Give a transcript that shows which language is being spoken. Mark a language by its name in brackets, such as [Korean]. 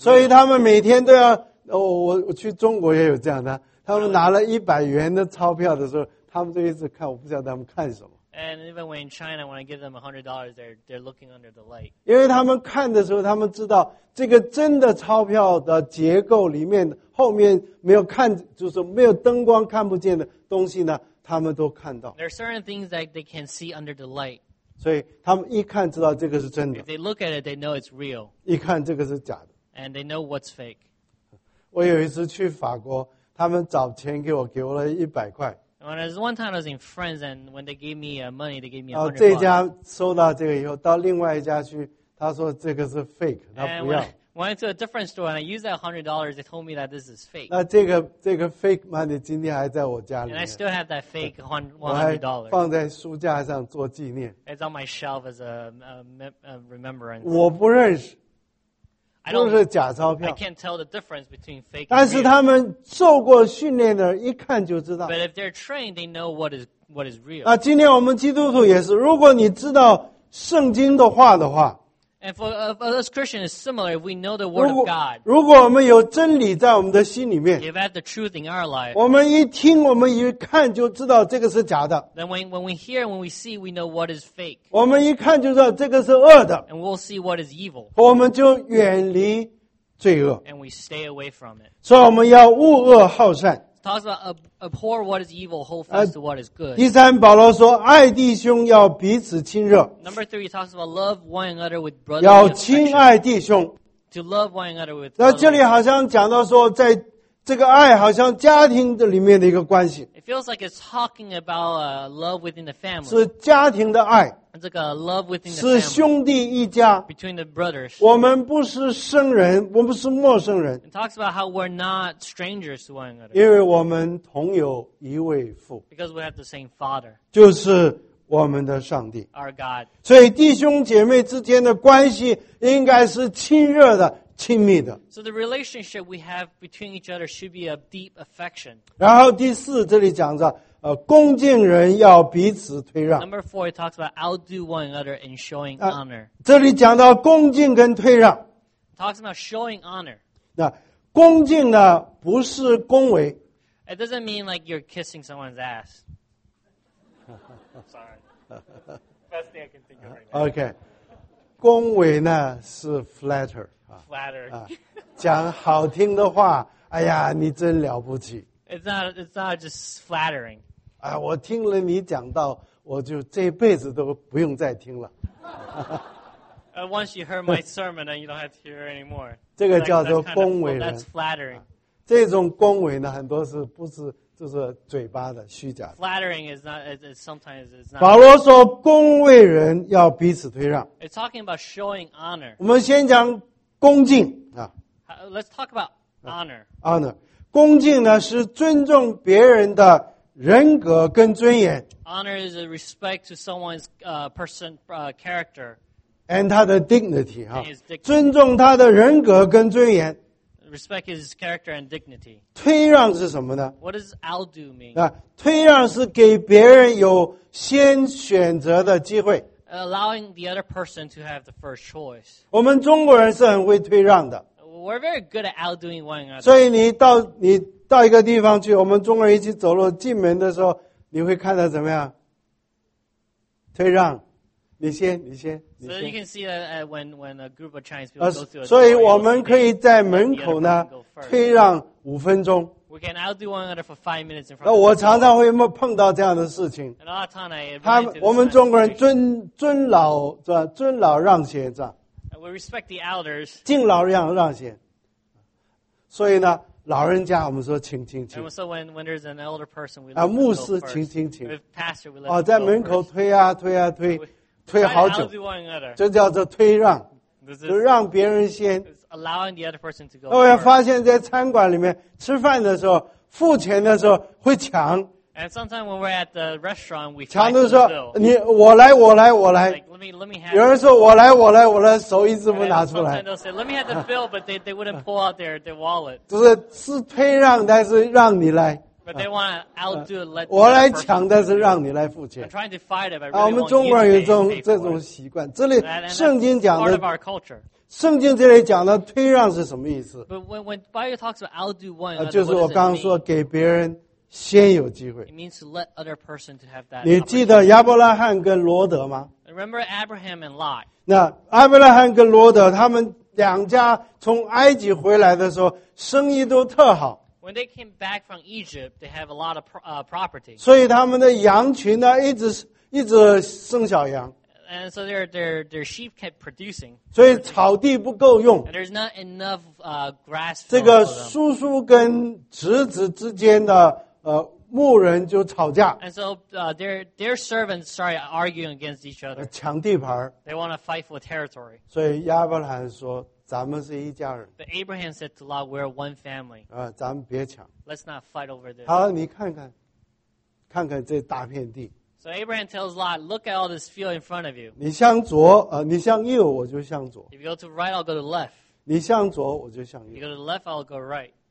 [Chinese] 所以他们每天都要，我去中国也有这样的。他们拿了100元的钞票的时候，他们就一直看，我不知道他们看什么。 [English] And even when in China, when I give them $100, they're looking under the light. [Chinese] 因为他们看的时候，他们知道这个真的钞票的结构里面，后面没有看，就是没有灯光看不见的东西呢，他们都看到。 [English] There are certain things that they can see under the light. [Chinese] 所以他们一看知道这个是真的。 [English] If they look at it, they know it's real. [Chinese] 一看这个是假的。 [English] And they know what's fake. [Chinese] 我有一次去法国，他们找钱给我，给我了100块。 [English] When I was one time I was in France, and when they gave me money, they gave me 100. [Chinese] 这家收到这个以后，到另外一家去，他说这个是 fake， 他不要。 [English] Went to a different store and I used that $100. They told me that this is fake. [Chinese] 那这个 [English] fake money [Chinese] 今天还在我家里。 [English] And I still have that fake $100. [Chinese] 放在书架上做纪念。 [English] It's on my shelf as a remembrance. [Chinese] 我不认识，都是假钞票。 [English] I can't tell the difference between fake. [Chinese] 但是他们受过训练的，一看就知道。 [English] But if they're trained, they know what is real. [Chinese] 那今天我们基督徒也是，如果你知道圣经的话的话。 [English] And for us Christians, it's similar if we know the word of God. [Chinese] 如果我们有真理在我们的心里面， [English] if we have the truth in our life, [Chinese] 我们一听，我们一看就知道这个是假的。 [English] Then when we hear, when we see, we know what is fake. [Chinese] 我们一看就知道这个是恶的。 [English] And we'll see what is evil. [Chinese] 我们就远离罪恶。 [English] And we stay away from it. [Chinese] 所以我们要恶恶好善。 [English] Talks about abhor what is evil, hold fast to what is good. [Chinese] 第三，保罗说，爱弟兄要彼此亲热。 [English] Number three, he talks about love one another with brotherly [Chinese] affection. 要亲爱弟兄。 [English] To love one another with. [Chinese] 那这里好像讲到说，在这个爱好像家庭的里面的一个关系。 [English] It feels like it's talking about love within the family. [Chinese] 是家庭的爱。这个 [English] love within the family. [Chinese] 是兄弟一家。 [English] Between the brothers. [Chinese] 我们不是生人，我们是陌生人。 [English] It talks about how we're not strangers to one another. [Chinese] 因为我们同有一位父。 [English] Because we have the same father. [Chinese] 就是我们的上帝。 [English] Our God. [Chinese] 所以弟兄姐妹之间的关系应该是亲热的。亲密的。 [English] So the relationship we have between each other should be a deep affection. [Chinese] 然后第四，这里讲着，恭敬人要彼此推让。 [English] Number four, it talks about outdo one another in showing honor. [Chinese] 这里讲到恭敬跟推让。 [English] Talks about showing honor. [Chinese] 那恭敬呢，不是恭维。 [English] It doesn't mean like you're kissing someone's ass. Sorry. Best thing I can think of right now. Okay. [Chinese] 恭维呢是 flatter。 [English] Flatter. [Chinese] 讲好听的话，哎呀，你真了不起。 [English] It's not just flattering. [Chinese] 哎，我听了你讲到，我就这辈子都不用再听了。 [English] Once you heard my sermon, then you don't have to hear anymore. [Chinese] 这个叫做恭维人。 [English] That's flattering. [Chinese] 这种恭维呢，很多是不是就是嘴巴的虚假的。 [English] Flattering is not. It's sometimes it's not. [Chinese] 保罗说，恭维人要彼此推让。 [English] It's talking about showing honor. [Chinese] 我们先讲。恭敬啊 [English] ，Let's talk about honor. [Chinese] Honor, 恭敬呢是尊重别人的人格跟尊严。 [English] Honor is a respect to someone's person character and [Chinese] 他的 [English] dignity 哈、啊， [Chinese] 尊重他的人格跟尊严。 [English] Respect his character and dignity. [Chinese] 推让是什么呢 [English] ？What does outdo mean? [Chinese] 啊，推让是给别人有先选择的机会。 [English] Allowing the other person to have the first choice. [Chinese] 我们中国人是很会退让的。 [English] We're very good at outdoing one another. [Chinese] 所以你到一个地方去，我们中国人一起走路进门的时候，你会看到怎么样？退让，你先。 [English] So you can see that when a group of Chinese people go through a door, [Chinese] 所以我们可以在门口呢, 推让5分钟。 [English] We can outdo one another for 5 minutes in front of the door. [Chinese] 我常常会碰到这样的事情。 [English] And a lot of time I agree to this. [Chinese] 我们中国人尊老让贤。 [English] We respect the elders. [Chinese] 敬老让贤。所以呢, 老人家, 我们说, 请。 [English] And so when there's an elder person, we look at the [Chinese] 牧师, 请。 [English] With pastor, we look at the [Chinese] 在门口推啊推啊推。推好久, [English] try to outdo one another. [Chinese] 这叫做推让, [English] this is, [Chinese] 就让别人先, [English] this is allowing the other person to go. [Chinese] 我也发现在餐馆里面, 吃饭的时候, 付钱的时候, 会抢, [English] and sometimes when we're at the restaurant, we [Chinese] 抢的时候, 你, 我来, 我来, 我来, [English] like, let me have [Chinese] 有人说, 我来, 我来, 我来, 手一直不拿出来, [English] and sometimes they'll say, let me have the bill, but they wouldn't pull out their wallet. [Chinese] 就是, 是推让, 但是让你来, [English] but they want to outdo it, let [Chinese] 我来抢，但是让你来付钱。 [English] I'm trying to fight it, but really [Chinese] 我们中国人有这种习惯。这里圣经讲的, [English] part of our culture. [Chinese] 圣经这里讲的推让是什么意思？ [English] But when Bible talks about outdo one another, [Chinese] 就是我刚刚说, 给别人先有机会。 [English] It means to let other person to have that. [Chinese] 你记得亚伯拉罕跟罗德吗？ [English] Remember Abraham and Lot. [Chinese] 那亚伯拉罕跟罗德, 他们两家从埃及回来的时候, 生意都特好。 [English] When they came back from Egypt, they have a lot of property. [Chinese] 所以他们的羊群呢, 一直生小羊。 [English] And so their sheep kept producing. [Chinese] 所以草地不够用。 [English] And there's not enough grass. [Chinese] 这个叔叔跟侄子之间的牧人就吵架。 [English] And so their servants started arguing against each other. [Chinese] 抢地盘。 [English] They want to fight for territory. [Chinese] 所以亚伯拉罕说, 咱们是一家人, [English] but Abraham said to Lot, we're one family. [Chinese] 咱们别抢, [English] let's not fight over this. [Chinese] 好,你看看, 看看这大片地。 [English] So Abraham tells Lot, look at all this field in front of you. [Chinese] 你向左, 你向右, 我就向左。 [English] If you go to right, I'll go to left. [Chinese] 你向左, 我就向右。 [English] You go to left, I'll go right.